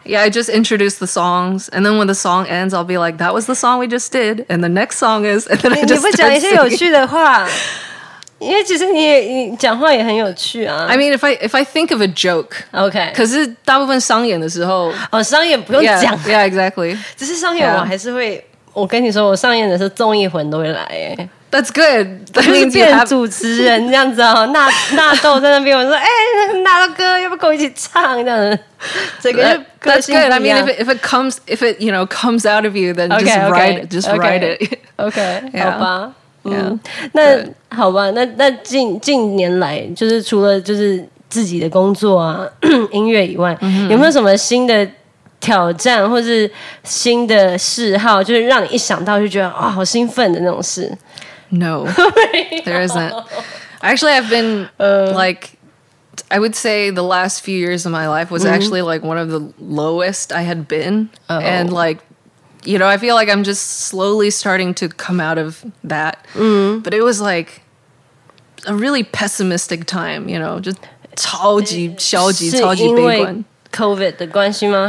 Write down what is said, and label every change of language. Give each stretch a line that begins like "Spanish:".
English: Yeah, I just introduce the songs, and then when the song ends, I'll be like, that was the song we just did, and the next song is, and then I just start singing.
Chinese: 你不讲一些有趣的话，因为其实你讲话也很有趣啊。
English: I mean, if I think of a joke, okay.
Chinese: 可是大部分商演的时候，哦，商演不用讲。
English: Yeah, exactly.
Chinese: 只是商演我还是会，我跟你说，我商演的时候综艺魂都会来耶。
English: That's good. That means
Chinese: 就是变主持人这样子哦。纳豆在那边我就说 纳豆哥要不要跟我一起唱这样子。
English: That's good. I mean, if it you know, comes out of you, then okay, just write okay. it. Just write okay. it. Okay. Yeah.
Chinese: 好吧。那好吧，那近年来就是除了就是自己的工作啊，音乐以外，有没有什么新的挑战或是新的嗜好，就是让你一想到就觉得啊，好兴奋的那种事
English: ？No, there isn't. Actually, I've been like, I would say the last few years of my life was actually like one of the lowest I had been, and like. You know, I feel like I'm just slowly starting to come out of that. Mm-hmm. But it was like a really pessimistic time, you know, just
Chinese: 超级悲观。COVID的关系吗?